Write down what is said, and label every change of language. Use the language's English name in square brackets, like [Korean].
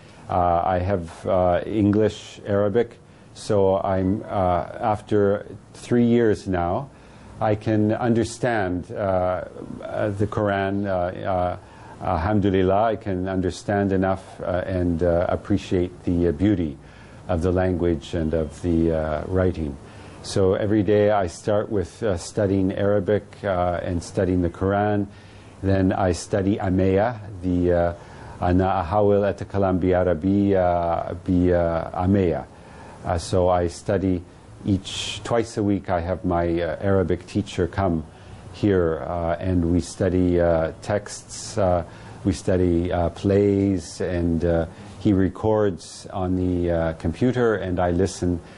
[English] I have English, Arabic, so I'm after 3 years now, I can understand the Quran, alhamdulillah. I can understand enough and appreciate the beauty of the language and of the writing. So every day I start with studying Arabic and studying the Quran. Then I study Ameya, the [Arabic] أنا أحاول أتكلم بالعربية بأمية. [English] So I study each twice a week. I have my Arabic teacher come here, and we study texts, we study plays, and he records on the computer, and I listen.